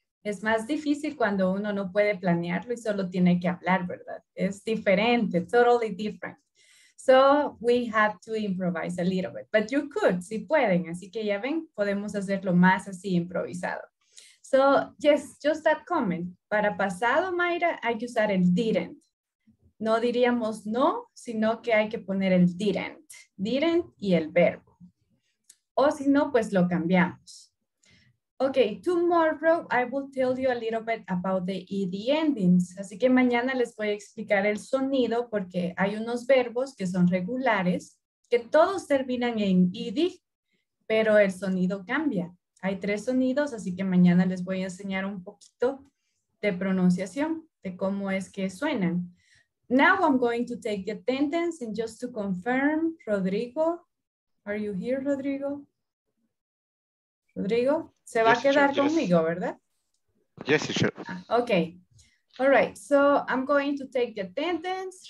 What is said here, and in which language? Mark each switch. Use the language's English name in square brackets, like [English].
[Spanish] Es más difícil cuando uno no puede planearlo y solo tiene que hablar, ¿verdad? Es diferente, [English] totally different. So we had to improvise a little bit, but you could, [Spanish] si pueden. Así que ya ven, podemos hacerlo más así improvisado. [English] So yes, just that comment. [Spanish] Para pasado, Mayra, hay que usar el didn't. No diríamos no, sino que hay que poner el didn't. Didn't y el verbo. O si no, pues lo cambiamos. [English] Okay, tomorrow I will tell you a little bit about the ED endings. [Spanish] Así que mañana les voy a explicar el sonido porque hay unos verbos que son regulares, que todos terminan en ED, pero el sonido cambia. Hay tres sonidos, así que mañana les voy a enseñar un poquito de pronunciación, de cómo es que suenan. [English] Now I'm going to take the attendance and just to confirm, Rodrigo, are you here, Rodrigo? [Spanish] Rodrigo, se va a quedar conmigo, ¿verdad? [English] Yes, sir. Okay. All right. So I'm going to take the attendance.